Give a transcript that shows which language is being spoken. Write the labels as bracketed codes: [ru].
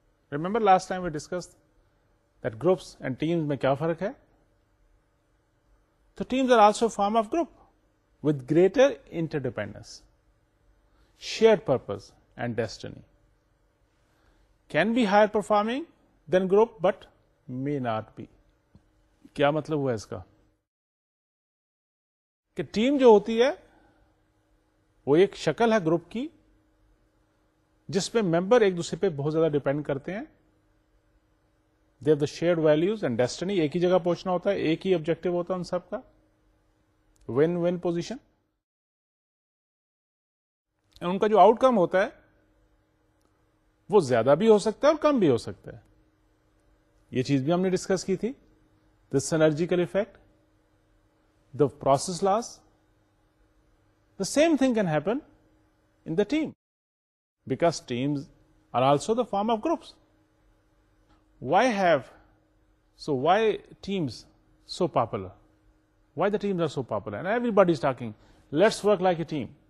[en] Remember last time we discussed that groups and teams [ur] mein kya farak hai? [en] So teams are also a form of group. with greater interdependence, shared purpose and destiny. Can be higher performing than group, but may not be. [ur] کیا مطلب ہوا اس کا؟ کہ team جو ہوتی ہے وہ ایک شکل ہے گروپ کی جس میں ممبر ایک دوسرے پہ بہت زیادہ ڈیپینڈ کرتے ہیں. [en] they have the shared values and destiny, [ur] ایک ہی جگہ پہنچنا ہوتا ہے, ایک ہی آبجیکٹو ہوتا ہے ان سب کا, ون ون پوزیشن. ان کا جو آؤٹ کم ہوتا ہے وہ زیادہ بھی ہو سکتا ہے اور کم بھی ہو سکتا ہے. یہ چیز بھی ہم نے ڈسکس کی تھی, [en] the synergical effect, the process loss. The same thing can happen in the team because teams are also the form of groups. Why teams so popular? Why the teams are so popular? And everybody is talking, let's work like a team.